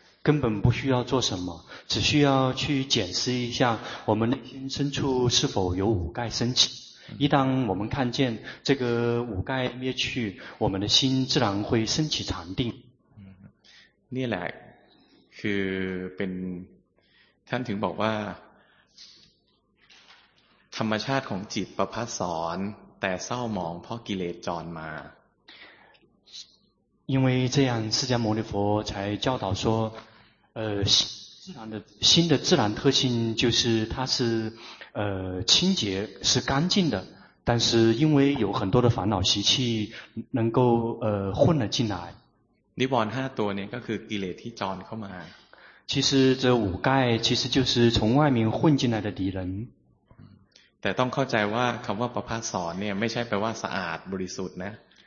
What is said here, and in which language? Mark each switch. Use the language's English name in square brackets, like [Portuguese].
[Chinese] 根本不需要做什么，只需要去检视一下我们内心深处是否有五盖升起。一旦我们看见这个五盖灭去，我们的心自然会升起禅定。 [Thai] นี่แหละคือเป็นท่านถึงบอกว่าธรรมชาติของจิตประพัสสอนแต่เศร้าหมองเพราะกิเลสจรมา [Chinese] 因为这样释迦牟尼佛才教导说心的自然特性就是它是清洁是干净的但是因为有很多的烦恼习气能够混了进来 [Thai] นิวรณ์ 5 ตัวเนี่ยก็คือกิเลสที่จรเข้ามา [Chinese] 其实这五盖其实就是从外面混进来的敌人 [Thai] แต่ต้องเข้าใจว่าคำว่าประพาสสอนเนี่ยไม่ใช่แปลว่าสะอาดบริสุทธิ์นะ